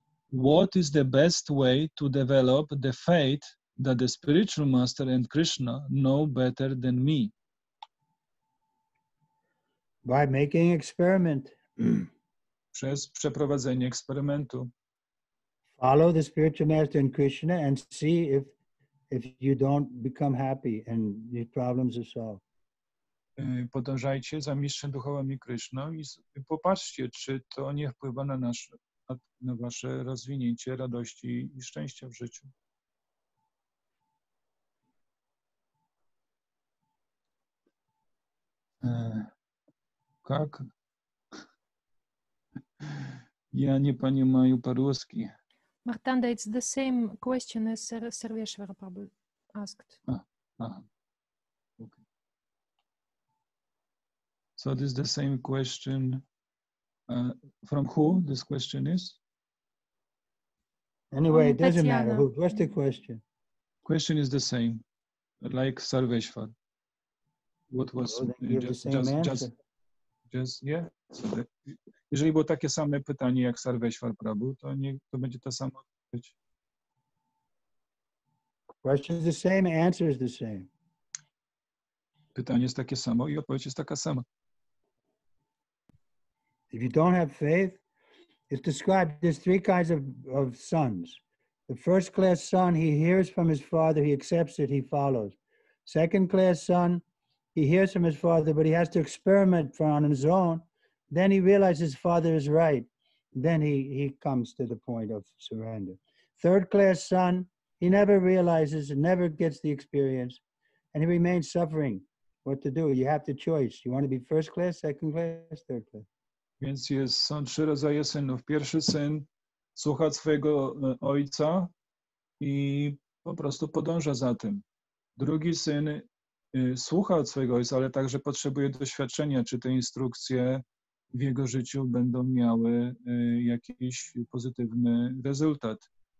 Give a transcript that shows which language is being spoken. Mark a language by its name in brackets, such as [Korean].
[English] What is the best way to develop the faith that the spiritual master and Krishna know better than me? By making experiment. [Polish] Przez przeprowadzenie eksperymentu. [English] Follow the spiritual master and Krishna and see if you don't become happy and your problems are solved. [Polish] Podążajcie za mistrzem duchowym i Krishna i popatrzcie, czy to nie wpływa na wasze rozwinięcie radości i szczęścia w życiu. Tak. Ja nie panie Maju Paruski. [English] Martanda, it's the same question as Sarveshwar probably asked. Okay. So this is the same question. From who this question is? Anyway, it doesn't matter. Who? What's the question? Question is the same, like Sarveshwar. What was just Yes, yeah. [Polish] Jeżeli było takie same pytanie jak Sarveshwar Prabhu, to będzie ta sama odpowiedź. [English] Question is the same, answer is the same. [Polish] Pytanie jest takie samo i odpowiedź jest taka sama. [English] If you don't have faith, it's described, there's three kinds of sons. The first class son, he hears from his father, he accepts it, he follows. Second class son, he hears from his father, but he has to experiment on his own. Then he realizes his father is right. Then he comes to the point of surrender. Third class son, he never realizes and never gets the experience, and he remains suffering. What to do? You have the choice. You want to be first class, second class, third class. [Polish] Więc są trzy rodzaje synów. Pierwszy syn słucha swojego ojca i po prostu podąża za tym. Drugi syn słucha od swojego ojca, ale także potrzebuje doświadczenia, czy te instrukcje w jego życiu będą miały jakiś pozytywny rezultat.